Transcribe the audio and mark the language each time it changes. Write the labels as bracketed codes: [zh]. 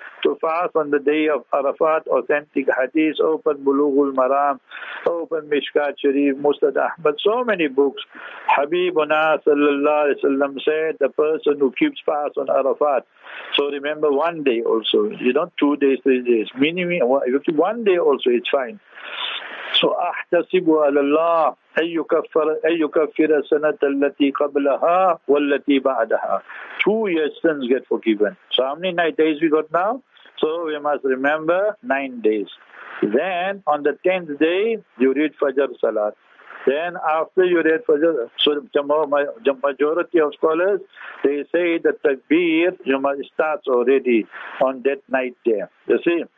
[en] To fast on the day of Arafat, authentic hadith, open Bulughul Maram, open Mishkat Sharif, Musnad Ahmad, so many books. Habibuna sallallahu alayhi wa sallam said, the person who keeps fast on Arafat. So remember one day also, you don't 2 days, 3 days. Minimum, you keep one day also, it's fine. [ar] So, أحتسب على الله أن يكفر السنة التي قبلها والتي بعدها. [en] 2 years sins get forgiven. So, how many 9 days we got now? So, we must remember 9 days. Then, on the 10th day, you read Fajr Salat. Then, after you read Fajr, so the majority of scholars, they say that Takbir, you must start already on that night there. You see?